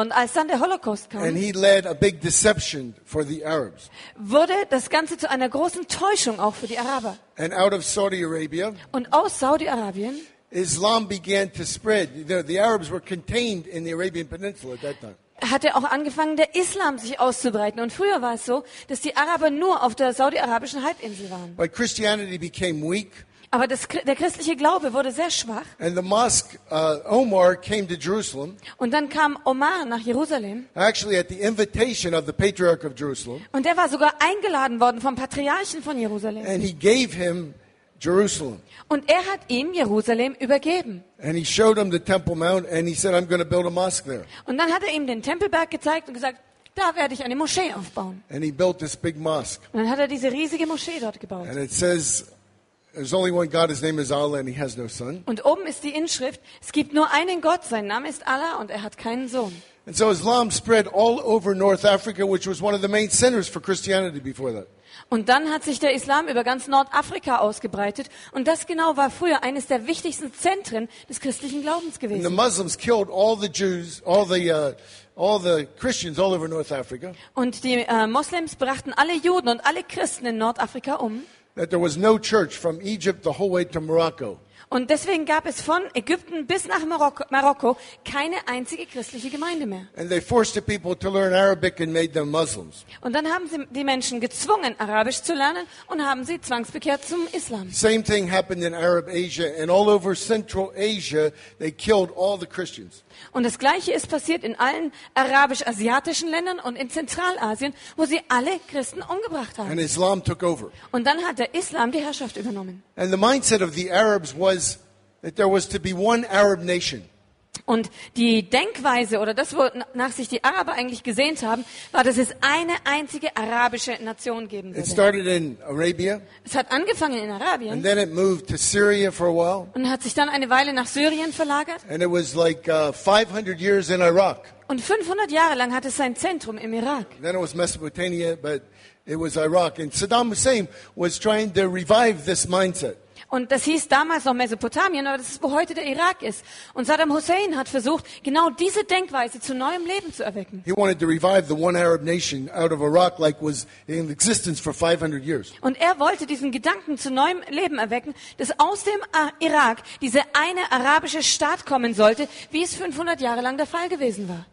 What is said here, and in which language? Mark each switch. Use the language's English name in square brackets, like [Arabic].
[German] Und als dann der Holocaust kam, [English] and he led a big deception for the Arabs. [German] Wurde das Ganze zu einer großen Täuschung auch für die Araber. [English] And out of Saudi Arabia. [German] Und aus Saudi-Arabien. [English] Islam began to spread. The Arabs were contained in the Arabian Peninsula at that time. [German] Hatte auch angefangen, der Islam sich auszubreiten. Und früher war es so, dass die Araber nur auf der saudi-arabischen Halbinsel waren. [English] But Christianity became weak. [German] Aber der christliche Glaube wurde sehr schwach. [English] And the mosque, Omar came to Jerusalem. [German] Und dann kam Omar nach Jerusalem. [English] Actually at the invitation of the Patriarch of Jerusalem. [German] Und er war sogar eingeladen worden vom Patriarchen von Jerusalem. [English] And he gave him Jerusalem. [German] Und er hat ihm Jerusalem übergeben. [English] And he showed him the Temple Mount and he said, I'm going to build a mosque there. [German] Und dann hat er ihm den Tempelberg gezeigt und gesagt, da werde ich eine Moschee aufbauen. [English] And he built this big mosque. [German] Und dann hat er diese riesige Moschee dort gebaut. [English] And it says, there's only one God, his name is Allah and he has no son. [German] Und oben ist die Inschrift, es gibt nur einen Gott, sein Name ist Allah und er hat keinen Sohn. [English] And so Islam spread all over North Africa, which was one of the main centers for Christianity before that. [German] Und dann hat sich der Islam über ganz Nordafrika ausgebreitet. Und das genau war früher eines der wichtigsten Zentren des christlichen Glaubens gewesen. [English] And the Muslims killed all the Jews, all the Christians all over North Africa. [German] Und die Moslems brachten alle Juden und alle Christen in Nordafrika um. [English] That there was no church from Egypt the whole way to Morocco. [German] Und deswegen gab es von Ägypten bis nach Marokko keine einzige christliche Gemeinde mehr. [English] And they forced the people to learn Arabic and made them Muslims. [German] Und dann haben sie die Menschen gezwungen, Arabisch zu lernen und haben sie zwangsbekehrt zum Islam. [English] Same thing happened in Arab Asia and all over Central Asia they killed all the Christians. [German] Und das gleiche ist passiert in allen arabisch-asiatischen Ländern und in Zentralasien, wo sie alle Christen umgebracht haben. [English] And Islam took over. [German] Und dann hat der Islam die Herrschaft übernommen. [English] And the mindset of the Arabs was that there was to be one Arab nation. [German] Und die Denkweise oder das, wonach sich die Araber eigentlich gesehnt haben, war, dass es eine einzige arabische Nation geben würde. [English] It started in Arabia. [German] Es hat angefangen in Arabien. [English] And then it moved to Syria for a while. [German] Und hat sich dann eine Weile nach Syrien verlagert. [English] And it was like 500 years in Iraq. [German] Und 500 Jahre lang hatte es sein Zentrum im Irak. [English] Then it was Mesopotamia, but it was Iraq. And Saddam Hussein was trying to revive this mindset. [German] Und das hieß damals noch Mesopotamien, aber das ist, wo heute der Irak ist. Und Saddam Hussein hat versucht, genau diese Denkweise zu neuem Leben zu erwecken. [English] He wanted to revive the one Arab nation out of Iraq, like was in existence for 500 years. [German] Und er wollte diesen Gedanken zu neuem Leben erwecken, dass aus dem Irak diese eine arabische Staat kommen sollte, wie es 500 Jahre lang der Fall gewesen war.